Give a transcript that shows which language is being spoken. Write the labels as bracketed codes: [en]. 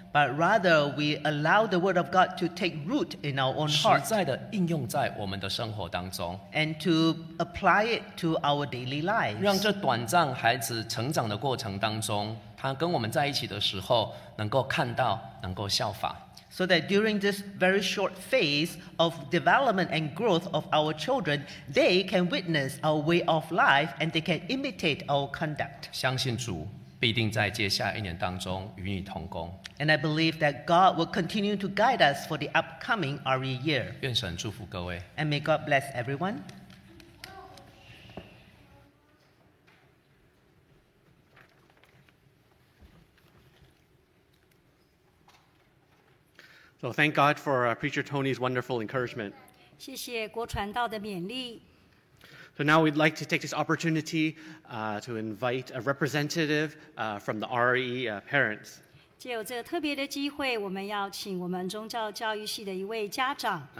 [en] But rather, we allow the word of God to take root in our own heart. [zh] 实在的应用在我们的生活当中。 [en] And to apply it to our daily lives. [zh] 让这短暂孩子成长的过程当中，他跟我们在一起的时候能够看到，能够效法。 [en] So that during this very short phase of development and growth of our children, they can witness our way of life and they can imitate our conduct. [zh] 相信主必定在接下一年当中与你同工。 [en] And I believe that God will continue to guide us for the upcoming RE year. [zh] 愿神祝福各位。 [en] And may God bless everyone. So thank God for Preacher Tony's wonderful encouragement. [zh] 谢谢国传道的勉励。 [en] So now we'd like to take this opportunity to invite a representative from the RE parents. [zh] 借由这个特别的机会，我们要请我们宗教教育系的一位家长。